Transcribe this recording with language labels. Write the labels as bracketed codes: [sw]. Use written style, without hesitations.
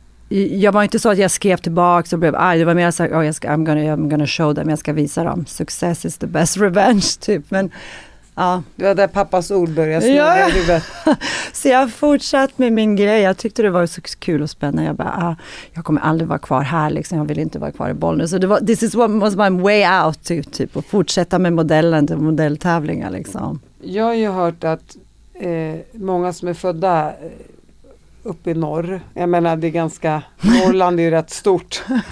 [sv] Jag var inte så att jag skrev tillbaka och blev arg. Det var mer så att [en] I'm gonna show them, [sv] jag ska visa dem. [en] Success is the best revenge, typ. [sv] Men, ja. Det var där pappas ord började snurra. Ja. Så jag har fortsatt med min grej. Jag tyckte det var så kul och spännande. Jag bara, jag kommer aldrig vara kvar här. Liksom. Jag vill inte vara kvar i Bollnäs. Så det var, [en] this is what was my way out, typ. [sv] Och fortsätta med modellen till modelltävlingar. Liksom. Jag har ju hört att många som är födda... upp i norr. Jag menar, det är ganska... Norrland är ju rätt stort.